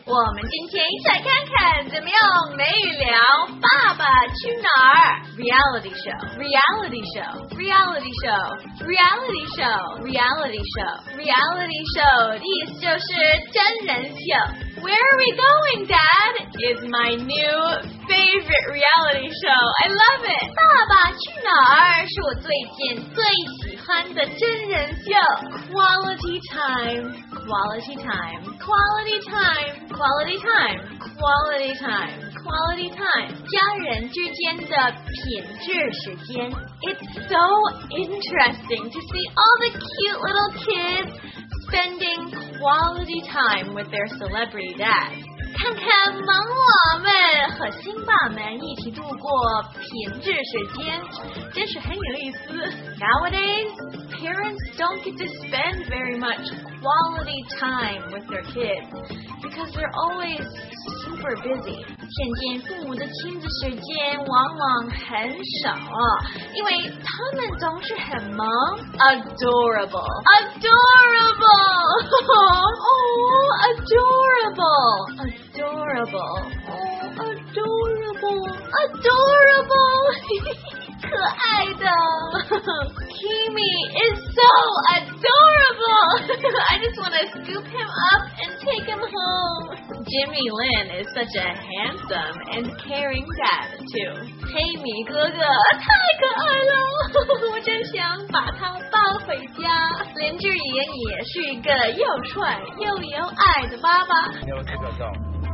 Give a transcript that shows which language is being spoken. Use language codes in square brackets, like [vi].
[zh] 我们今天一起来看看怎么用美语聊《爸爸去哪儿》 [en] Reality Show, Reality Show, [zh] Reality Show, Reality Show, Reality Show, Reality Show 的意思就是真人秀。 [en] Where are we going, Dad? Is my new favorite reality show. I love it. [zh] 爸爸去哪儿是我最近最喜欢的真人秀。 [en] Quality time, quality time, quality time, quality time, quality time, quality time. [zh] 家人之间的品质时间。 [en] It's so interesting to see all the cute little kids spending quality time with their celebrity dad. [zh] 看看萌娃们和新爸们一起度过品质时间，真是很有意思。 [en] Nowadays, parents don't get to spend very much quality time with their kids because they're always super busy. [zh] 现今父母的亲子时间往往很少，因为他们总是很忙。 [en] Adorable, adorable, oh, adorable, adorable, oh, adorable, adorable. [zh] 可爱的 [en] Kimi is so adorable. I just want to scoop him up and take him home. Jimmy Lin is such a handsome and caring dad too. [zh] 黑米哥哥太可爱了，我真想把他抱回家。林志颖也是一个又帅又有爱的爸爸。